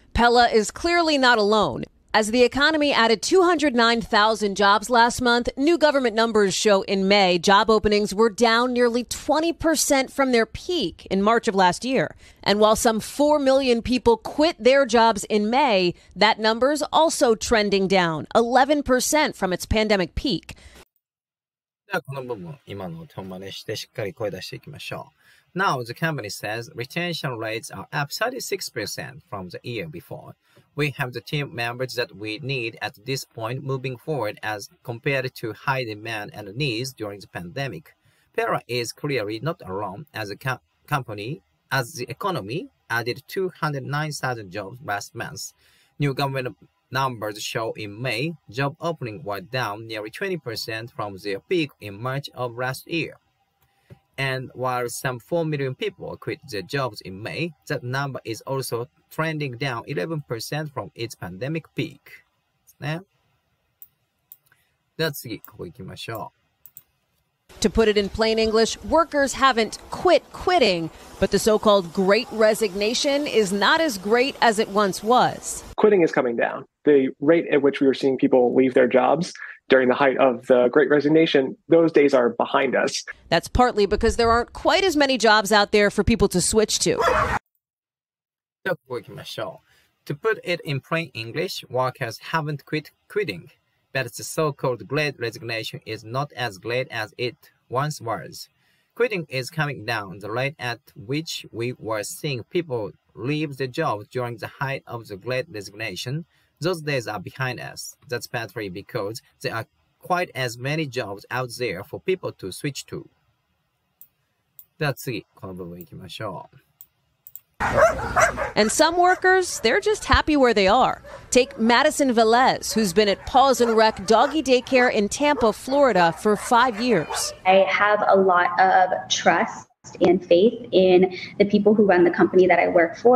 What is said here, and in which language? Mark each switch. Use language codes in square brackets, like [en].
[en] Pella is clearly not alone. As the economy added 209,000 jobs last month, new government numbers show in May job openings were down nearly 20% from their peak in March of last year. And while some 4 million people quit their jobs in May, that number is also trending down 11% from its pandemic peak. [ja] じゃあこの部分、今の手を真似してしっかり声出していきましょう。 [en] Now the company says retention rates are up 36% from the year before. We have the team members that we need at this point moving forward as compared to high demand and needs during the pandemic. Pella is clearly not alone as a company as the economy added 209,000 jobs last month. New government numbers show in May job openings were down nearly 20% from their peak in March of last year. And while some 4 million people quit their jobs in May, that number is also trending down 11% from its pandemic peak. [ja] ね。では次、ここ行きましょう。 [en] To put it in plain English, workers haven't quitting, but the so-called great resignation is not as great as it once was. Quitting is coming down. The rate at which we were seeing people leave their jobs... During the height of the Great Resignation, those days are behind us. That's partly because there aren't quite as many jobs out there for people to switch to. To put it in plain English, workers haven't quitting, but the so-called Great Resignation is not as great as it once was. Quitting is coming down the rate at which we were seeing people leave the job during the height of the Great Resignation. Those days are behind us. That's partly because there are quite as many jobs out there for people to switch to. [ja] では次、この部分いきましょう。 [en] And some workers, they're just happy where they are. Take Madison Velez, who's been at Paws and Rec Doggy Daycare in Tampa, Florida for 5 years. I have a lot of trust and faith in the people who run the company that I work for.